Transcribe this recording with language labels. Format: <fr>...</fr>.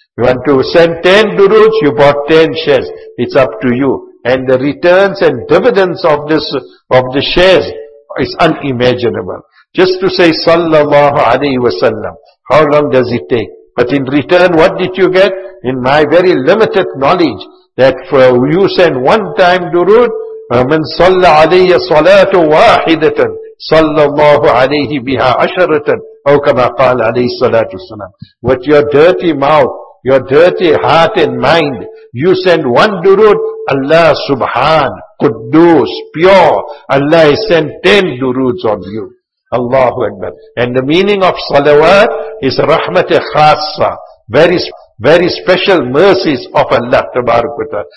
<en>You want to send 10 duroods, you bought 10 shares. It's up to you. And the returns and dividends of this, of the shares, is unimaginable. Just to say sallallahu alayhi wa sallam, how long does it take? But in return, what did you get? In my very limited knowledge, that for you send one time durood,</en> <ar>من صلى عليه صلاة واحدة صلى الله عليه بها عشرة أو كما قال عليه الصلاة والسلام.</ar> <en>With your dirty mouth, your dirty heart and mind, you send one durood, Allah Subhan, Quddus, pure, Allah has sent 10 duroods on you. Allahu Akbar. And the meaning of salawat is rahmat-e khassa, very, very special mercies of Allah Tabarak wa Ta'ala.</en>